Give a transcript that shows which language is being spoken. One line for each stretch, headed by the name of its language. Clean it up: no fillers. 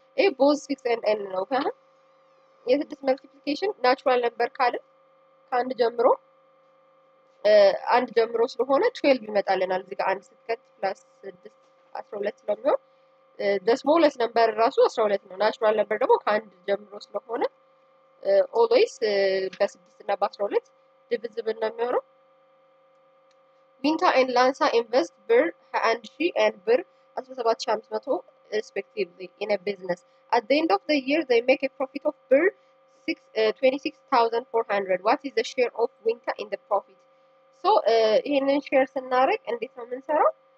Amharic: ይሄ both 6n and n ነው ካለ የስድስት ማልቲፕሊኬሽን ናቹራል ነምበር ካለ ከአንድ ጀምሮ ስለሆነ 12 ይመጣልናል። እዚህ ጋር 1 ስትከት plus 6 12 ስለሚሆን ስሞለስት ነምበር ራሱ 12 ነው። ናቹራል ነምበር ደግሞ ከአንድ ጀምሮ ስለሆነ ኦልዌይስ በ6 እና በ12 ዲቪዚብል ነው የሚሆነው።
English: ቢንታ ኤን ላንሳ ኢንቨስት ብር 21000 ኤን ብር 17500 respectively in a business. At the end of the year they make a profit of ብር 26400. What is the share of Winta in the profit?
Amharic: So ይህንን ሼር ስናደርግ እንዴት ነው የምንሰራው?